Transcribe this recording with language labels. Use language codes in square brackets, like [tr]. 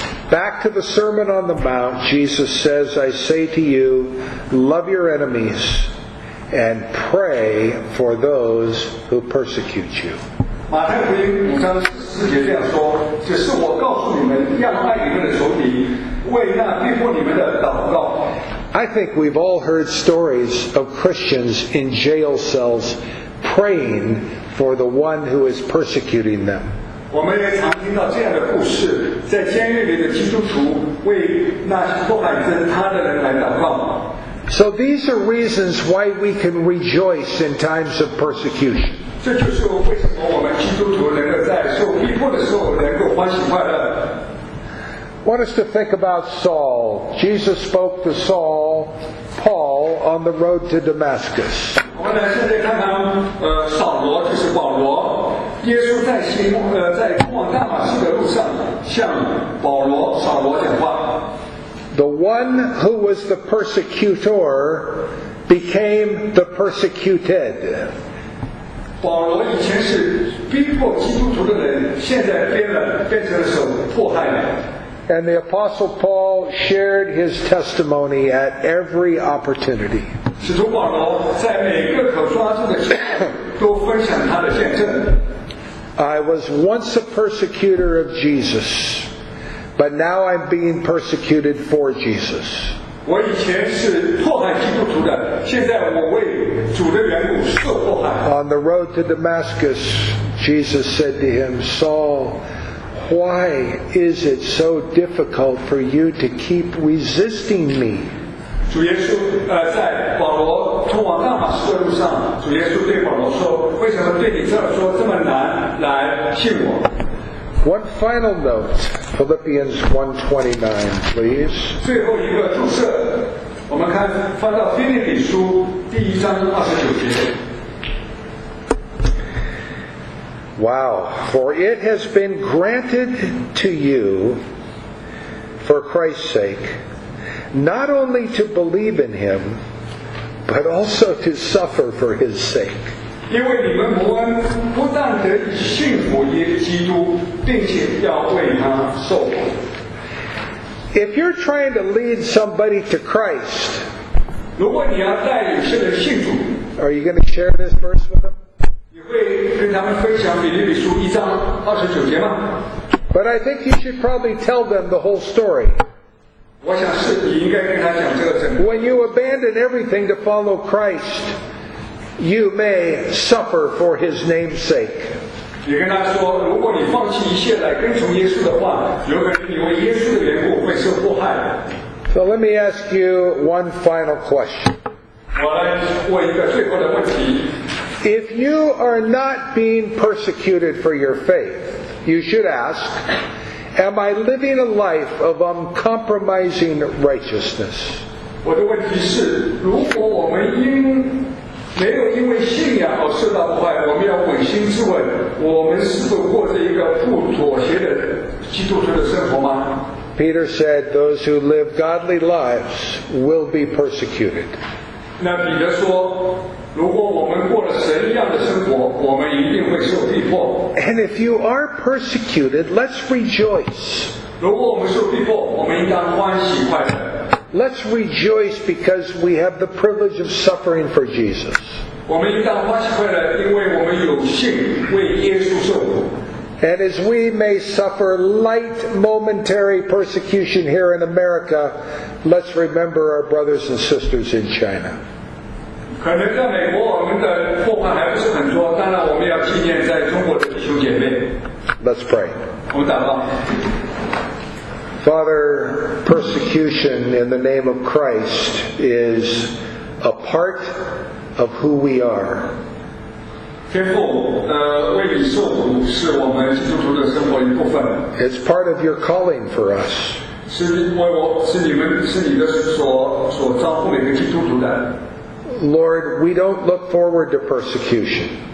[en] Back to the Sermon on the Mount, Jesus says, I say to you, love your enemies and pray for those who persecute you. [zh] 马太福音五章四节这样说：“只是我告诉你们，要爱你们的仇敌，为那逼迫你们的祷告。” [en] I think we've all heard stories of Christians in jail cells praying for the one who is persecuting them. [zh] 我们也常听到这样的故事，在监狱里的基督徒为那迫害着他的人来祷告。 [en] So these are reasons why we can rejoice in times of persecution. [zh] 这就是为什么我们基督徒能够在受逼迫的时候能够欢喜快乐。 [en] I want us to think about Saul. Jesus spoke to Saul, Paul, on the road to Damascus. [zh] 我们来现在看看，扫罗就是保罗。耶稣在通往大马士的路上，向保罗、扫罗讲话。 [en] The one who was the persecutor became the persecuted. [zh] 保罗以前是逼迫基督徒的人，现在变成了受迫害的。 [en] And the Apostle Paul shared his testimony at every opportunity. [zh] 使徒保罗在每个可抓住的时候都分享他的见证。 [en] I was once a persecutor of Jesus, but now I'm being persecuted for Jesus. [zh] 我以前是迫害基督徒的，现在我为主的缘故受迫害。 [en] On the road to Damascus, Jesus said to him, Saul,Why is it so difficult for you to keep resisting me? [zh] 主耶稣在保罗通往大马士的路上，主耶稣对保罗说，为什么对你这么难来信我？ [en] One final note, Philippians 1:29, please. [zh] 最后一个注释，我们看翻到腓立比书第一章29节。 [en] Wow, for it has been granted to you, for Christ's sake, not only to believe in him, but also to suffer for his sake. [zh] 因为你们蒙恩，不但得以信服耶稣基督，并且要为他受苦。 [en] If you're trying to lead somebody to Christ, [zh] 如果你要带有些人信主， [en] are you going to share this verse with them? [zh] 跟他们分享比利比书一章二十九节吗？ [en] But I think you should probably tell them the whole story. [zh] 我想是你应该跟他讲这个整个。 [en] When you abandon everything to follow Christ, you may suffer for his name's sake. [zh] 你跟他说，如果你放弃一切来跟从耶稣的话，有可能你为耶稣的缘故会受迫害。 [en] So let me ask you one final question. [zh] 我来问一个最后的问题。 [en] If you are not being persecuted for your faith, you should ask, am I living a life of uncompromising righteousness? [zh] 我的问题是，如果我们没有因为信仰而受到迫害，我们要扪心自问，我们是否过着一个不妥协的基督徒的生活吗？ [en] Peter said, those who live godly lives will be persecuted. [zh] 那彼得说，如果我们过了神一样的生活，我们一定会受逼迫。 [en] And if you are persecuted, let's rejoice. [zh] 如果我们受逼迫，我们应当欢喜快乐。 [en] Let's rejoice because we have the privilege of suffering for Jesus. [zh] 我们应当欢喜快乐，因为我们有幸为耶稣受苦。 [en] And as we may suffer light momentary persecution here in America, let's remember our brothers and sisters in China. [zh] 可能在美国我们的祸患还不是很多，当然我们要纪念在中国的弟兄姐妹。 [en] Let's pray. [zh] 我们祷告。 [en] Father, persecution in the name of Christ is a part of who we are. [zh] 天父，为你受苦是我们基督徒的生活一部分。 [en] It's part of your calling for us. [zh] 是你的所招呼每个基督徒的。 [en] Lord, we don't look forward to persecution.